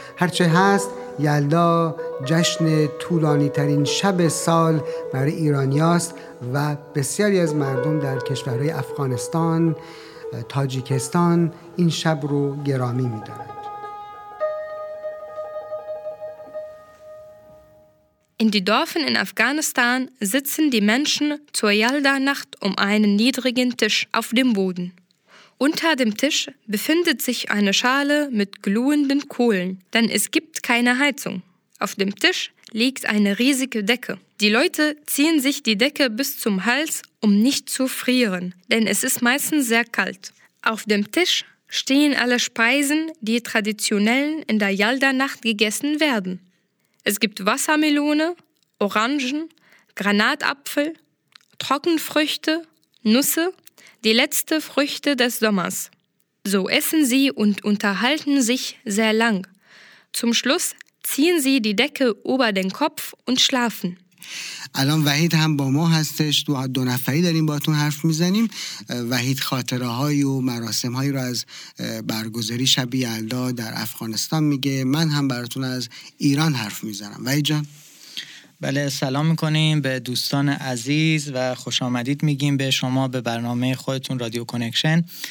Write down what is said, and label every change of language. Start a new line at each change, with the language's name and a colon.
Persian: هرچه هست، یلدا جشن طولانی ترین شب سال برای ایرانی هست و بسیاری از مردم در کشورهای افغانستان، تاجیکستان این شب رو گرامی می دارند.
German: In die Dörfen in Afghanistan sitzen die Menschen zur Yalda-Nacht um einen niedrigen Tisch auf dem Boden. Unter dem Tisch befindet sich eine Schale mit glühenden Kohlen, denn es gibt keine Heizung. Auf dem Tisch liegt eine riesige Decke. Die Leute ziehen sich die Decke bis zum Hals, um nicht zu frieren, denn es ist meistens sehr kalt. Auf dem Tisch stehen alle Speisen, die traditionell in der Yalda-Nacht gegessen werden. Es gibt Wassermelone, Orangen, Granatapfel, Trockenfrüchte, Nüsse, die letzte Früchte des Sommers. So essen sie und unterhalten sich sehr lang. Zum Schluss ziehen sie die Decke über den Kopf und schlafen.
Persian: الان وحید هم با ما هستش، دو نفری داریم باهاتون حرف میزنیم. وحید خاطره های و مراسم هایی رو از برگزاری شب یلدا در افغانستان میگه، من هم براتون از ایران حرف میزنم. وحید جان. بله، سلام میکنیم به دوستان عزیز و خوش آمدید میگیم به شما به برنامه خودتون رادیو کانکشن.